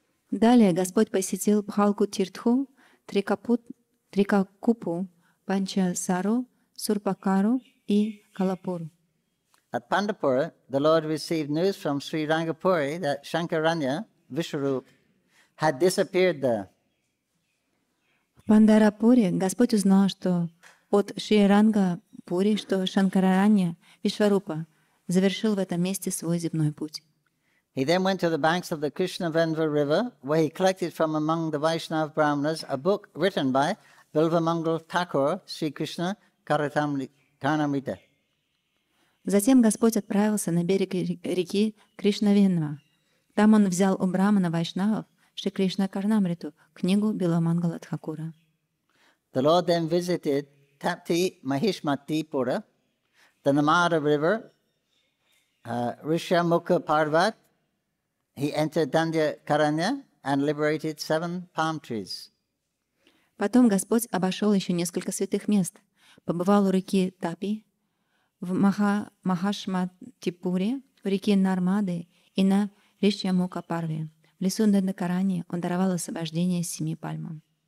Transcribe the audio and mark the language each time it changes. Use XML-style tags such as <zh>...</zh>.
<ru>Далее Господь посетил Пхалку Тиртху, Трикакупу, Панчасару, Сурпакару и Калапур.</ru> <en>At Pandapura, the Lord received news from Sri Rangapuri that Shankaranya, Vishwarup, had disappeared there.</en> <ru>В Пандарапуре Господь узнал, что от Шри Рангапури, что Шанкараранья, Вишварупа, завершил в этом месте свой земной путь.</ru> <en>He then went to the banks of the Krishnavendra River, where he collected from among the Vaishnav Brahmanas a book written by Bilvamangal Thakur, Sri Krishna Caritamrita.</en> <ru>Затем Господь отправился на берег реки Кришнавенва. Там он взял у Брахмана Вайшнавов Шри Кришна Карнамриту книгу Билвамангала Тхакура.</ru> <en>The Lord then visited Tapti Mahishmatipura, the Namada River, Rishyamukha Parvat. He entered Dandya Karanya and liberated 7 palm trees.</en> <ru>Потом Господь обошел еще несколько святых мест, побывал у реки Тапи, в Махашматипуре, у реки Нармады и на Ришьямука Парве. В лесу Дандя Карани он даровал освобождение 7 пальмам.</ru>